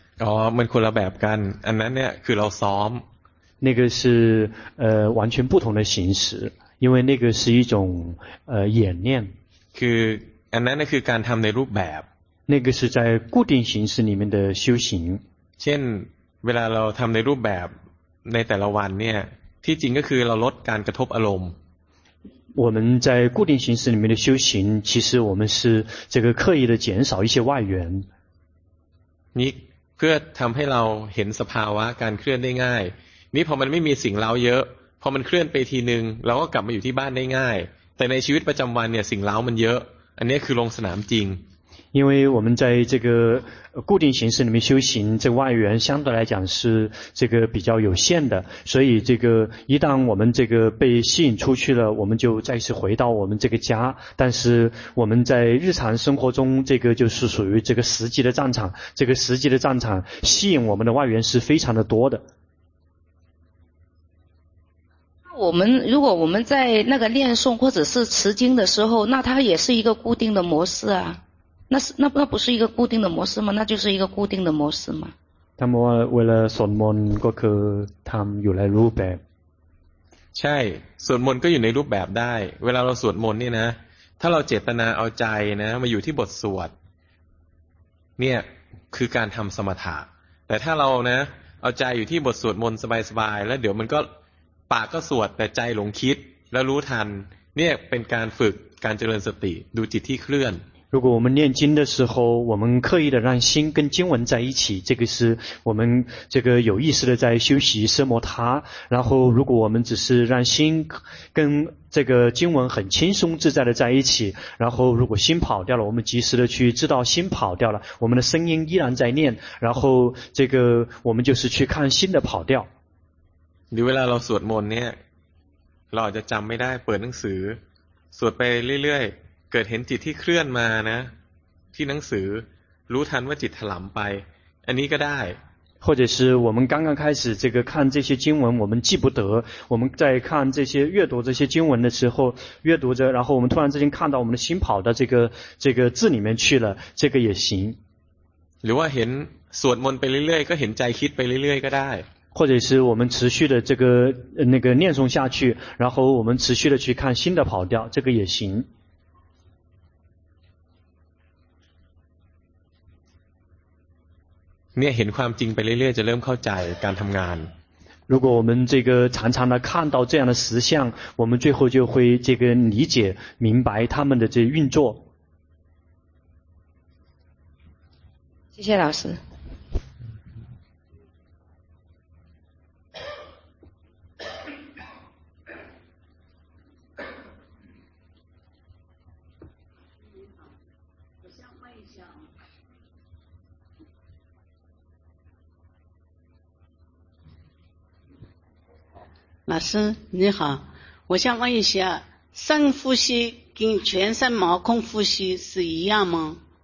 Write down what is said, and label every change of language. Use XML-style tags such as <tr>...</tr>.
<th>อ๋อมันคนละแบบกันอันนั้นเนี่ยคือเราซ้อม</th> <zh>那个是完全不同的形式因为那个是一种演练</zh> <th>คืออันนั้นคือการทำในรูปแบบ</th> <zh>那个是在固定形式里面的修行</zh> <th>เช่นเวลาเราทำในรูปแบบในแต่ละวันเนี่ยที่จริงก็คือเราลดการกระทบอารมณ์</th> <zh>我们在固定形式里面的修行其实我们是这个刻意的减少一些外缘</zh> <th>นี่เพื่อทำให้เราเห็นสภาวะการเคลื่อนได้ง่ายนี่พอมันไม่มีสิ่งเร้าเยอะพอมันเคลื่อนไปทีนึงเราก็กลับมาอยู่ที่บ้านได้ง่ายแต่ในชีวิตประจำวันเนี่ยสิ่งเร้ามันเยอะอันนี้คือลงสนามจริง</th> <zh>因为我们在这个固定形式里面修行这个、外缘相对来讲是这个比较有限的所以这个一旦我们这个被吸引出去了我们就再次回到我们这个家但是我们在日常生活中这个就是属于这个实际的战场这个实际的战场吸引我们的外缘是非常的多的如果我们在那个念诵或者是持经的时候那它也是一个固定的模式啊那不是一个固定的模式吗那就是一个固定的模式吗他们为了</zh> <th>สวดมนต์ก็คือทำอยู่ในรูปแบบ ใช่สวดมนต์ก็อยู่ในรูปแบบได้เวลาเราสวดมนต์นี่นะถ้าเราเจตนาเอาใจนะมาอยู่ที่บทสวดเนี่ยคือการทำสมถะแต่ถ้าเรานะเอาใจอยู่ที่บทสวดมนต์สบายๆแล้วเดี๋ยวมันก็ปากก็สวดแต่ใจหลงคิดแล้วรู้ทันเนี่ยเป็นการฝึกการเจริญสติดูจิตที่เคลื่อน</th> <zh>如果我们念经的时候我们刻意的让心跟经文在一起这个是我们这个有意识的在修习奢摩他然后如果我们只是让心跟这个经文很轻松自在的在一起然后如果心跑掉了我们及时的去知道心跑掉了我们的声音依然在念然后这个我们就是去看心的跑掉你为了老师我们念</zh> <th>เราจะจำไม่ได้เปิดหนังสือสวดไปเรื่อยๆเกิดเห็นจิตที่เคลื่อนมานะที่หนังสือรู้ทันว่าจิตถลำไปอันนี้ก็ได้</th> <zh>或者是我们刚刚开始这个看这些经文，我们记不得。我们在看这些阅读这些经文的时候，阅读着，然后我们突然之间看到我们的心跑到这个字里面去了，这个也行。如果见</zh> <th>สวดมนต์ไปเรื่อยๆก็เห็นใจคิดไปเรื่อยๆก็ได้。</th> <zh>或者是我们持续的这个那个念诵下去，然后我们持续的去看心的跑掉，这个也行。</zh> <th>เนี่ยเห็นความจริงไปเรื่อยๆจะเริ่มเข้าใจการทำงาน</th> <zh>如果我们这个常常的看到这样的实相我们最后就会这个理解明白他们的这运作谢谢老师老师你好，我想问一下，深呼吸跟全身毛孔呼吸是一样吗？</zh>